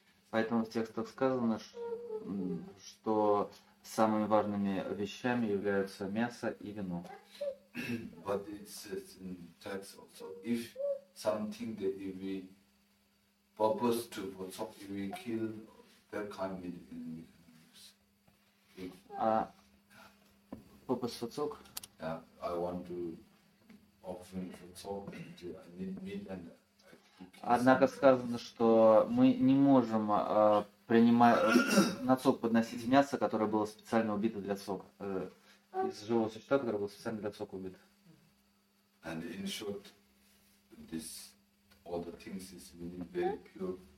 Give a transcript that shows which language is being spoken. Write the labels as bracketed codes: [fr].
[ru] Поэтому в текстах сказано, что самыми важными вещами являются мясо и вино. [en] But it says in text also, if something that we purpose to protect, if we kill, that kind of meat we can use. Purpose for talk? Yeah, I want to offer for talk and I need meat and. [ru] Однако сказано, что мы не можем принимать на цок подносить мясо, которое было специально убито для цока. Из живого существа, которое было специально для цока убито. [en] And in short, this all the things is really very pure.